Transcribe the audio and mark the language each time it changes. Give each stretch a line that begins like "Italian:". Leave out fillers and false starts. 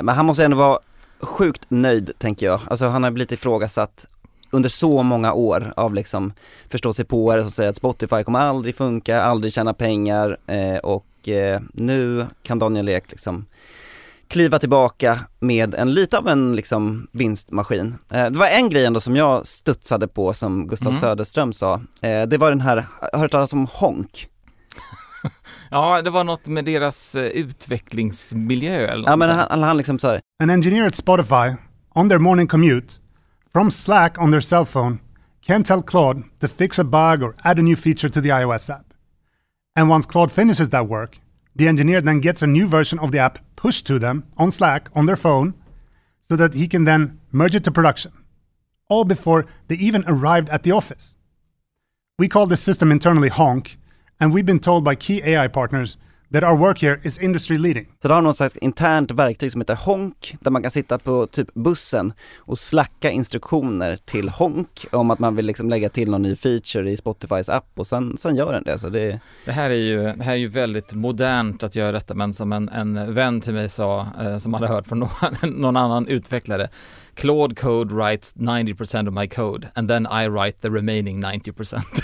Swedish: Nej, men han måste ändå vara sjukt nöjd, tänker jag. Alltså han har blivit ifrågasatt under så många år av liksom förståsigpåare som säger att Spotify kommer aldrig funka, aldrig tjäna pengar och nu kan Daniel Ek liksom kliva tillbaka med en lite av en liksom vinstmaskin. Det var en grej ändå som jag studsade på som Gustav Söderström sa. Det var den här, hör du talas om Honk? Ja, det var något med deras utvecklingsmiljö eller något. Ja, men han liksom sa
English: an engineer at Spotify on their morning commute from Slack on their cell phone can tell Claude to fix a bug or add a new feature to the iOS app. And once Claude finishes that work, the engineer then gets a new version of the app pushed to them on Slack on their phone so that he can then merge it to production, all before they even arrived at the office. We call this system internally Honk, and we've been told by key AI partners that our work here is industry leading.
Swedish: Så de har något slags internt verktyg som heter Honk, där man kan sitta på typ bussen och slacka instruktioner till Honk om att man vill liksom lägga till någon ny feature i Spotifys app, och sen gör den det. Så det här är ju väldigt modernt att göra detta, men som en vän till mig sa, som hade hört från någon annan utvecklare:
English: Claude Code writes 90% of my code and then I write the remaining 90%.